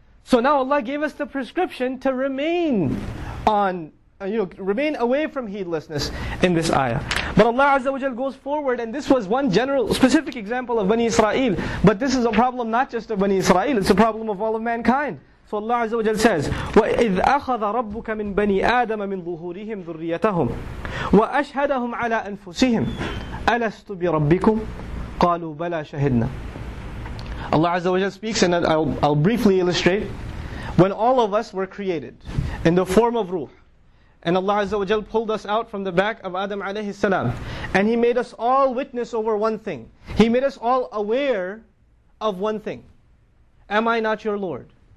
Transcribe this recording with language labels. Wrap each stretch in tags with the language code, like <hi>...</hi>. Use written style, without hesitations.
<en>So now Allah gave us the prescription to remain on, you know, remain away from heedlessness in this ayah. But Allah Azza wa Jal goes forward, and this was one general, specific example of Bani Israel. But this is a problem not just of Bani Israel, it's a problem of all of mankind. So Allah Azza wa Jal says,</en> <ar>وَإِذْ أَخَذَ رَبُّكَ مِنْ بَنِي آدَمَ مِنْ ظُهُورِهِمْ ذُرِّيَّتَهُمْ وَأَشْهَدَهُمْ عَلَىٰ أَنفُسِهِمْ أَلَسْتُ بِرَبِّكُمْ قَالُوا بَلَىٰ شَهِدْنَا.</ar> <en>Allah Azza wa Jal speaks, and I'll briefly illustrate. When all of us were created in the form of ruh, and Allah Azza wa Jal pulled us out from the back of Adam alayhi salam, and He made us all witness over one thing. He made us all aware of one thing. Am I not your Lord?</en>